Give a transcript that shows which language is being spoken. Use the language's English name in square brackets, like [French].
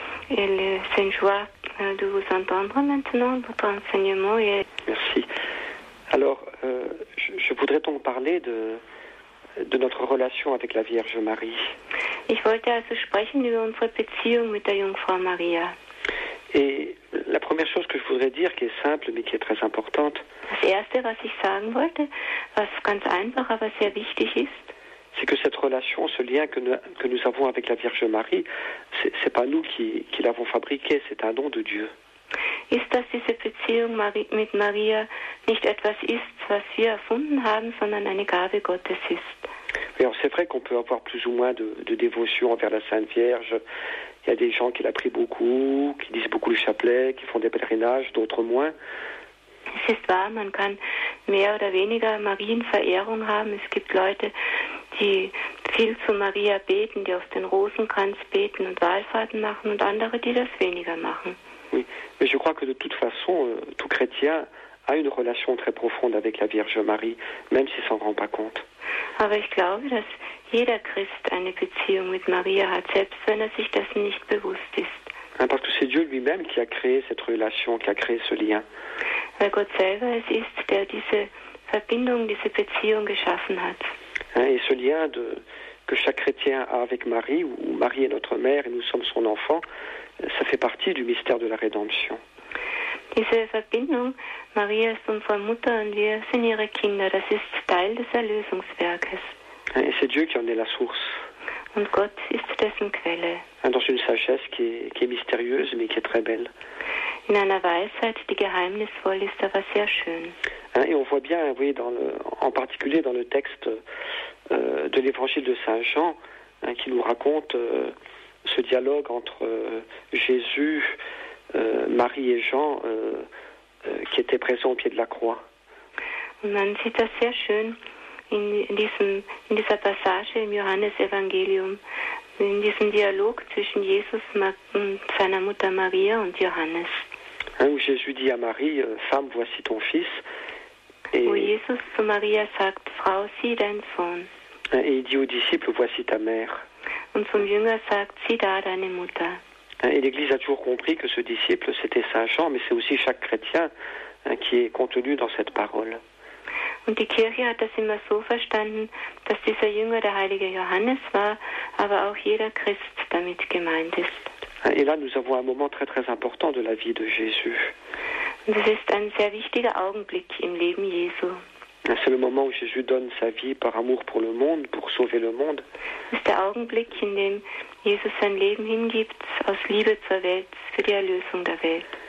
[French] Et c'est une joie de vous entendre maintenant, votre enseignement. Merci. Alors, je voudrais donc parler de notre relation avec la Vierge Marie. [German] Ich wollte also sprechen über unsere Beziehung mit der Jungfrau Maria. [French] Et la première chose que je voudrais dire, qui est simple, mais qui est très importante, [German] das Erste, was ich sagen wollte, was ganz einfach, aber sehr wichtig ist, [French] c'est que cette relation, ce lien que nous avons avec la Vierge Marie, c'est pas nous qui l'avons fabriqué, c'est un don de Dieu. [German] Ist das diese Beziehung mit Maria nicht etwas ist, was wir erfunden haben, sondern eine Gabe Gottes ist? [French] Alors, c'est vrai qu'on peut avoir plus ou moins de dévotion envers la Sainte Vierge. Il y a des gens qui la prient beaucoup, qui disent beaucoup le chapelet, qui font des pèlerinages, d'autres moins. [German] Es ist wahr, man kann mehr oder weniger Marienverehrung haben. Es gibt Leute, die viel zu Maria beten, die auf den Rosenkranz beten und Wallfahrten machen und andere, die das weniger machen. [French] Oui, mais je crois que de toute façon, tout chrétien a une relation très profonde avec la Vierge Marie, même s'il s'en rend pas compte. [German] Aber ich glaube, dass jeder Christ eine Beziehung mit Maria hat, selbst wenn er sich dessen nicht bewusst ist. [French] Parce que c'est Dieu lui-même qui a créé cette relation, qui a créé ce lien. [German] Weil Gott selber es ist, der diese Verbindung, diese Beziehung geschaffen hat. [French] Et ce lien que chaque chrétien a avec Marie, où Marie est notre mère et nous sommes son enfant, ça fait partie du mystère de la rédemption. [German] Diese Verbindung, Maria ist unsere Mutter und wir sind ihre Kinder, das ist Teil des Erlösungswerkes. [French] Et c'est Dieu qui en est la source. [German] Und Gott ist dessen Quelle. [French] Dans une sagesse qui est mystérieuse, mais qui est très belle. [German] In einer Weisheit, die geheimnisvoll ist, aber sehr schön. [French] Et on voit bien, vous voyez, en particulier dans le texte de l'évangile de Saint Jean, qui nous raconte ce dialogue entre Jésus, Marie et Jean, qui étaient présents au pied de la croix. [German] Man sieht das sehr schön in dieser Passage im Johannesevangelium, in diesem Dialog zwischen Jesus und seiner Mutter Maria und Johannes. [French] Où Jésus dit à Marie, femme, voici ton fils. Et, où [German] Jésus zu Maria sagt, Frau, sieh dein Sohn. [French] Et il dit aux disciples, voici ta mère. [German] Und zum Jünger sagt, sieh da deine Mutter. [French] Et l'Église a toujours compris que ce disciple, c'était Saint Jean, mais c'est aussi chaque chrétien qui est contenu dans cette parole. [German] Und die Kirche hat das immer so verstanden, dass dieser Jünger der heilige Johannes war, aber auch jeder Christ damit gemeint ist. [French] Et là, nous avons un moment très très important de la vie de Jésus. [German] Das ist ein sehr wichtiger Augenblick im Leben Jesu. [French] C'est le moment où Jésus donne sa vie par amour pour le monde, pour sauver le monde. [German] Das ist der Augenblick, in dem Jesus sein Leben hingibt, aus Liebe zur Welt, für die Erlösung der Welt.